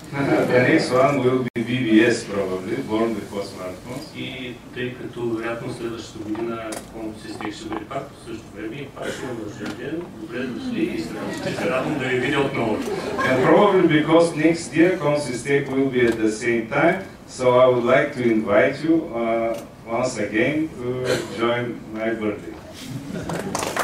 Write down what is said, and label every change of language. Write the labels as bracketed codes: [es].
[en] The next one will be BBS probably, born before smartphones. [bg] И тъй като вероятно следващата година CompSysTech ще бъде пак по същото време, пак ще продължим ден, добре дошли и ще се радвам да ви видя отново. [en] And probably because next year CompSysTech will be at the same time, so I would like to invite you once again to join my birthday.